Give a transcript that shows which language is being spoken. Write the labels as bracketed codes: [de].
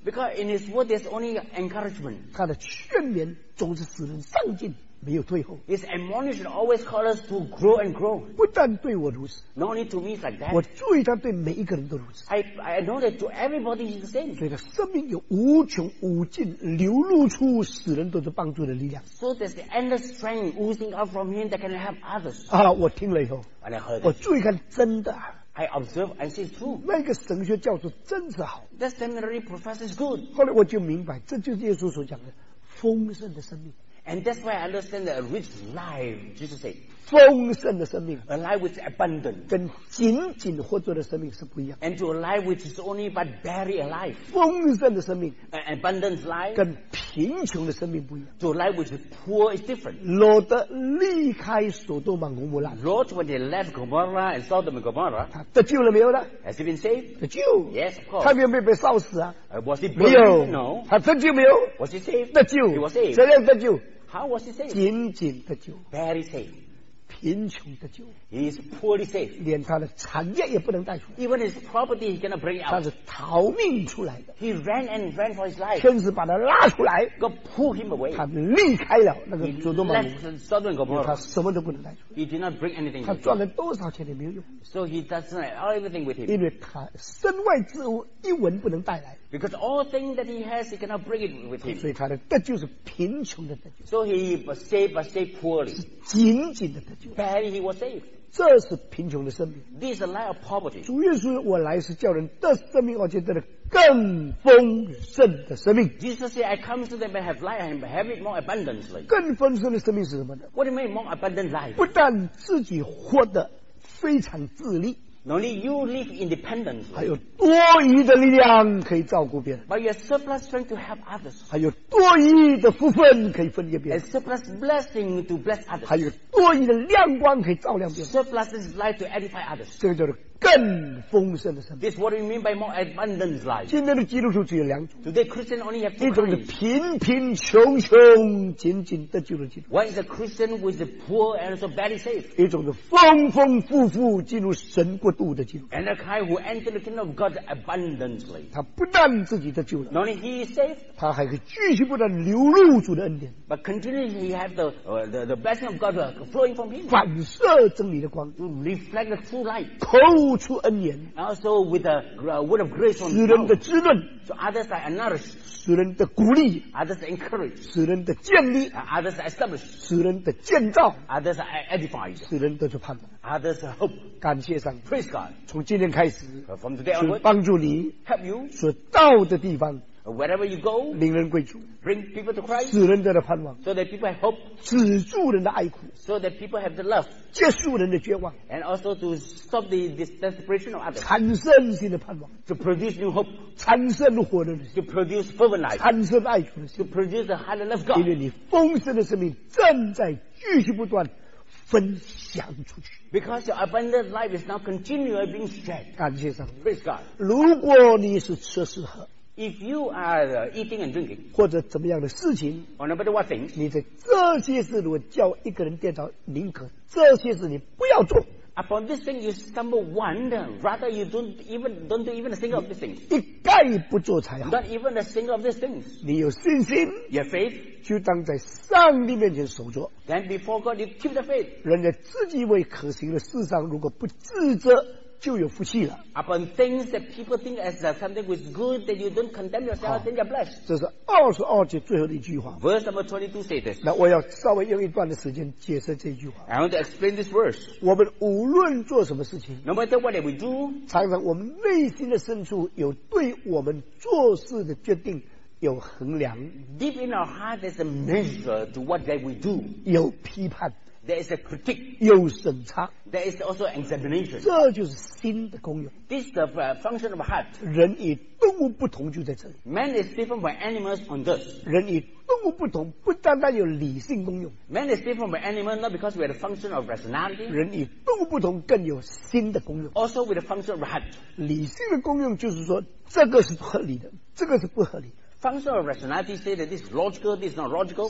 [en] Because in his word there's only encouragement [zh] 他的劝勉总是使人上进没有退后 [en] His admonition always calls us to grow and grow [zh] 不但对我如此 [en] Not only to me like that [zh] 我注意他对每一个人都如此 [en] I know that to everybody is the same [zh] 所以他生命有无穷无尽流露出使人得着帮助的力量 [en] So there's the endless strength oozing out from him that can help others [zh] 好了我听了以后 [en] And I heard [zh] 我注意看真的 [en] I observe and see it's true [zh] 那个神学教授真是好 [en] That seminary professor is good [zh] 后来我就明白这就是耶稣所讲的丰盛的生命 [en] And that's why I understand the rich life, Jesus said. [zh] 丰盛的生命 [en] A life with abundance. [zh] 跟仅仅活着的生命是不一样 [en] And to a life which is only but barely alive. [zh] 丰盛的生命 [en] An abundant life. [zh] 跟贫穷的生命不一样 [en] To a life which is poor is different. [zh] Lot 离开索多玛和摩拉 [en] Lot when he left Gomorrah and Sodom and Gomorrah. [zh] 他得救了没有呢 [en] Has he been saved? [zh] 得救 [en] Yes, of course. [zh] 他有没有被烧死啊 [en] Was he burned? No. [zh] 他得救没有 [en] Was he saved? [zh] 得救 [en] He was saved. [zh] 怎样得救 [en] How was he saved? [zh] 仅仅得救 [en] Very safe [zh] 贫穷得救 [en] He is poorly saved [zh] 连他的产业也不能带出来 [en] Even his property he cannot bring out [zh] 他是逃命出来的 [en] He ran and ran for his life [zh] 天使把他拉出来 [en] God pulled him away [zh] 他离开了那个索多玛因为他什么都不能带出来 [en] He did not bring anything [zh] 他赚了多少钱也没有用 [en] So he doesn't have everything with him [zh] 因为他身外之物一文不能带来 [en] Because all things that he has, he cannot bring it with him. [zh] 所以他的得救是贫穷的得救。 [en] So he was saved, but saved poorly. [zh] 是仅仅的得救。 [en] Barely he was saved. [zh] 这是贫穷的生命。 [en] This is a life of poverty. [zh] 主耶稣，我来是叫人得生命，而且得了更丰盛的生命。 [en] Jesus said, I come so that they may have life and have it more abundantly. [zh] 更丰盛的生命是什么呢 [en] ？What do you mean more abundant life? [zh] 不但自己活得非常自立。 [en] Not only you live independently, [zh] 还有多余的力量可以照顾别人 [en] but you have surplus strength to help others. [zh] 还有多余的福分可以分给别人 [en] and surplus blessing to bless others. [zh] 还有多余的亮光可以照亮别人 [en] surplus light to edify others. [zh] 这个叫做更丰盛的生命 [en] This is what we mean by more abundant life. [zh] 今天的基督徒只有两种 [en] Today Christians only have two [zh] 一种是贫贫穷穷仅仅得救的基督 [en] One is a Christian who is poor and also barely saved. [zh] 一种是丰丰富富进入神国度的基督 [en] And a guy who entered the kingdom of God abundantly. [zh] 他不但自己得救了 [en] Not only he is saved. [zh] 他还可以继续不断流入主的恩典 [en] But continually he has the blessing of God flowing from him. [zh] 反射真理的光 [en] To reflect the true light. [zh] 透露出恩言 [en] also with the word of grace on [zh] 使人的滋润 [en] so others are nourished [zh] 使人的鼓励 [en] others are encouraged [zh] 使人的建立 [en] others are established [zh] 使人的建造 [en] others are edified [zh] 使人得着盼望 [en] others are hope [zh] 感谢上帝 [en] praise God [zh] 从今天开始 [en] from today onward [zh] 去帮助你 [en] help you [zh] 所到的地方 [en] wherever you go [zh] 领人归主 [en] bring people to Christ [zh] 使人得着盼望 [en] so that people have hope [zh] 止住人的哀苦 [en] so that people have the love [zh] 结束人的绝望 [en] and also to stop the desperation of others [zh] 产生新的盼望 [en] to produce new hope [zh] 产生活的人 [en] to produce fervent life [zh] 产生爱主的心 [en] to produce the heart and love of God [zh] 因为你丰盛的生命正在继续不断分享出去 [en] because your abundant life is now continually being shared [zh] 感谢上帝 [en] praise God [zh] 如果你是吃是喝 [en] if you are eating and drinking [zh] 或者怎么样的事情 [en] or no matter what things [zh] 你在这些事如果叫一个人跌倒宁可这些事你不要做 [en] upon this thing you stumble one rather you don't do even a single of these things [zh] 一概不做才好 [en] not even a single of these things [zh] 你有信心 [en] your faith [zh] 就当在上帝面前守着 [en] then before God you keep the faith [zh] 人家自己为可行的事上如果不自责就有福气了。 [en] Upon things that people think as something which is good, that you don't condemn yourself, then you're blessed. [zh] 这是二十二节最后的一句话。 [en] Verse number 22 says this. [zh] 那我要稍微用一段的时间解释这句话。 [en] I want to explain this verse. [zh] 我们无论做什么事情 [en] ，No matter what we do, [zh] 常常我们内心的深处有对我们做事的决定。有衡量 [en] deep in our heart there's a measure to what that we do [zh] 有批判 [en] there is a critique [zh] 有审查 [en] there is also examination [zh] 这就是心的功用 [en] this is the function of heart [zh] 人与动物不同就在这里 [en] man is different from animals on this [zh] 人与动物不同不单单有理性功用 [en] man is different from animals not because we have the function of rationality [zh] 人与动物不同更有心的功用 [en] also with the function of heart [zh] 理性的功用就是说这个是合理的这个是不合理的 [en] Function of rationality say that this is logical, this is not logical.